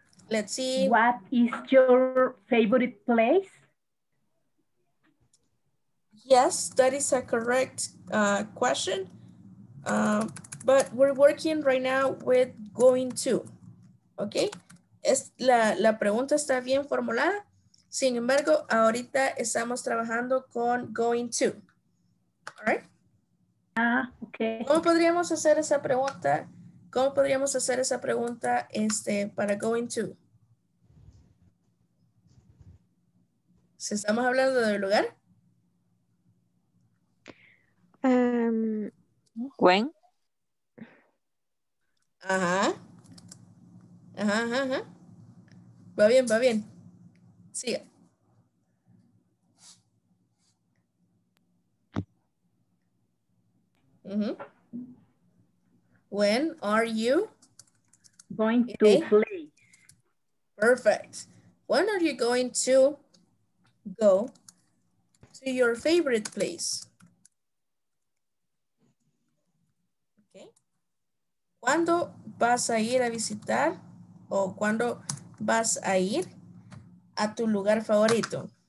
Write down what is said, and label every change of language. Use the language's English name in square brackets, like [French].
[English] Let's see. What is your favorite place? Yes, that is a correct question. But we're working right now with going to. [Spanish] Okay? Es la pregunta está bien formulada. Sin embargo, ahorita estamos trabajando con going to. [English] All right? Okay. [Spanish] ¿Cómo podríamos hacer esa pregunta? ¿Cómo podríamos hacer esa pregunta para going to? Si estamos hablando del lugar. [English] When? [Spanish] Ajá. Va bien. Siga. [English] When are you going to play? Perfect. When are you going to go to your favorite place? [Spanish] ¿Cuándo vas a ir a visitar o cuándo vas a ir a tu lugar favorito?